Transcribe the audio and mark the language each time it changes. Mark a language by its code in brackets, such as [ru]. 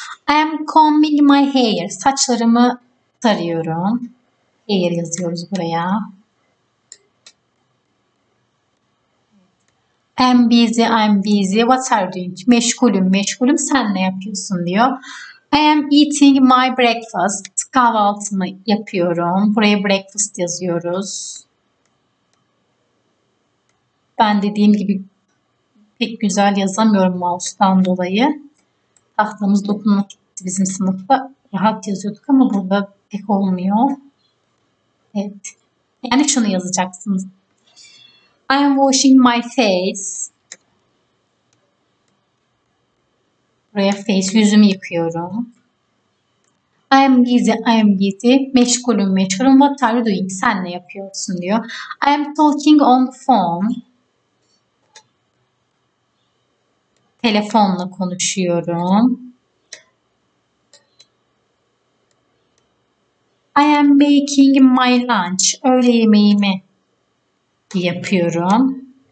[en] I am combing my hair. [tr] Saçlarımı tarıyorum. Hair yazıyoruz buraya. [en] I'm busy. What are you doing? [tr] Meşgulüm, meşgulüm. Sen ne yapıyorsun diyor. [en] I am eating my breakfast. [tr] Kahvaltımı yapıyorum. Buraya breakfast yazıyoruz. Ben dediğim gibi pek güzel yazamıyorum mouse'dan dolayı. Tahtamız dokunmatik bizim sınıfta. Rahat yazıyorduk ama burada pek olmuyor. Evet. Yani şunu yazacaksınız. [en] I am washing my [tr] buraya [en] face, [tr] yüzümü yıkıyorum. [en] I am busy. [tr] Meşgulüm, meşgulüm. [en] What are you doing? [tr] Sen ne yapıyorsun diyor. [en] I am talking on the phone. [tr] Telefonla konuşuyorum. [en] I am making my lunch. [tr] Öğle yemeğimi yapıyorum.